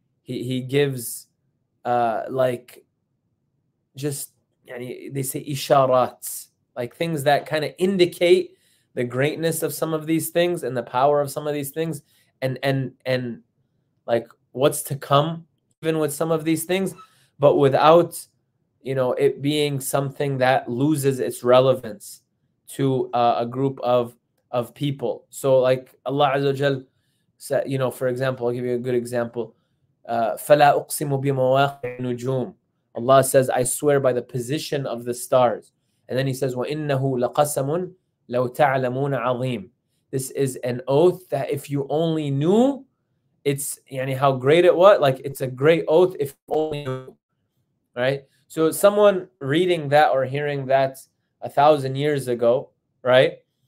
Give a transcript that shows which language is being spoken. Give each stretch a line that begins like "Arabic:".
English: He gives like just, yani, they say isharat, like things that kind of indicate the greatness of some of these things and the power of some of these things and like what's to come even with some of these things, but without, you know, it being something that loses its relevance to a group of people. So like Allah Azza wa Jal said, you know, for example, I'll give you a good example.
Arabic: فَلَا أُقْسِمُ بِمَوَاقِعِ النُّجُومِ.
English: Allah says, I swear by the position of the stars. And then he says,
Arabic: وَإِنَّهُ لَقَسَمٌ لَوْ تَعْلَمُونَ عَظِيمٌ.
English: This is an oath that if you only knew, it's, yani, how great it was, like, it's a great oath if only you knew, right? So someone reading that or hearing that 1,000 years ago, right?